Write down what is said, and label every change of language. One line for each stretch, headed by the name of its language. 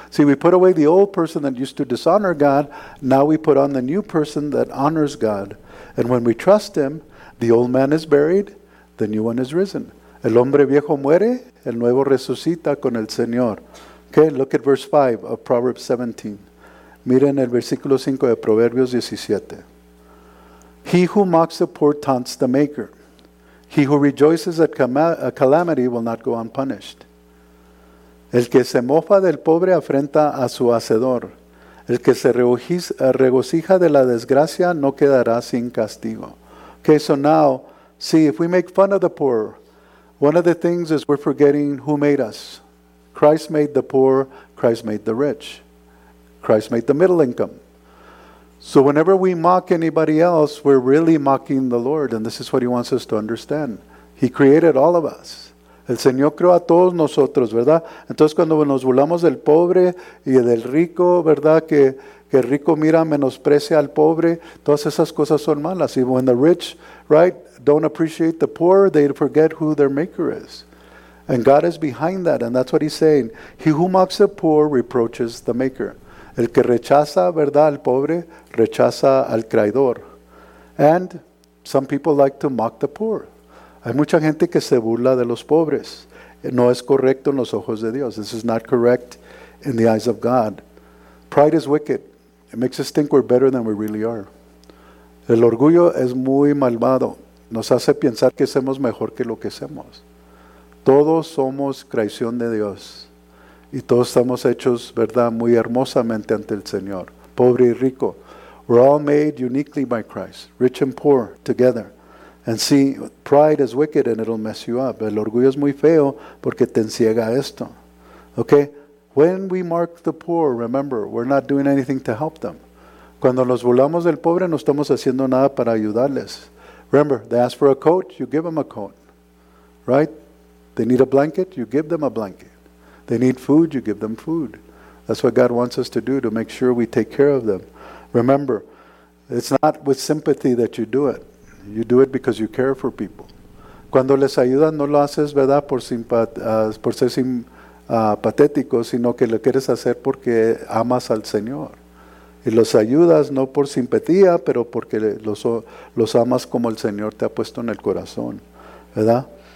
English: See, we put away the old person that used to dishonor God, now we put on the new person that honors God. And when we trust Him, the old man is buried, the new one is risen.
Spanish: El hombre viejo muere, el nuevo resucita con el Señor.
English: Okay, look at verse 5 of Proverbs 17.
Spanish: Miren el versículo 5 de Proverbios 17.
English: He who mocks the poor taunts the maker. He who rejoices at calamity will not go unpunished.
Spanish: El que se mofa del pobre afrenta a su hacedor. El que se regocija de la desgracia no quedará sin castigo.
English: Okay, so now, see, if we make fun of the poor, one of the things is we're forgetting who made us. Christ made the poor, Christ made the rich. Christ made the middle income. So whenever we mock anybody else, we're really mocking the Lord. And this is what He wants us to understand. He created all of us.
Spanish: El Señor creó a todos nosotros, ¿verdad? Entonces cuando nos burlamos del pobre y del rico, ¿verdad? Que el rico mira, menosprecia al pobre, todas esas cosas son malas.
English: Y when the rich, right, don't appreciate the poor, they forget who their maker is. And God is behind that, and that's what he's saying. He who mocks the poor reproaches the maker.
Spanish: El que rechaza, ¿verdad?, al pobre, rechaza al traidor.
English: And some people like to mock the poor.
Spanish: Hay mucha gente que se burla de los pobres. No es correcto en los ojos de Dios.
English: This is not correct in the eyes of God. Pride is wicked. It makes us think we're better than we really are.
Spanish: El orgullo es muy malvado. Nos hace pensar que somos mejor que lo que somos. Todos somos creación de Dios. Y todos estamos hechos, ¿verdad?, muy hermosamente ante el Señor. Pobre y rico.
English: We're all made uniquely by Christ. Rich and poor together. And see, pride is wicked and it'll mess you up.
Spanish: El orgullo es muy feo porque te enciega esto.
English: Okay? When we mark the poor, remember, we're not doing anything to help them.
Spanish: Cuando nos burlamos del pobre, no estamos haciendo nada para ayudarles.
English: Remember, they ask for a coat, you give them a coat. Right? They need a blanket, you give them a blanket. They need food, you give them food. That's what God wants us to do, to make sure we take care of them. Remember, it's not with sympathy that you do it. You do it because you care for people.
Spanish: Cuando les ayudas, no lo haces, ¿verdad?, por ser patético, sino que lo quieres hacer porque amas al Señor. Y los ayudas no por simpatía, pero porque los amas como el Señor te ha puesto en el corazón, ¿verdad?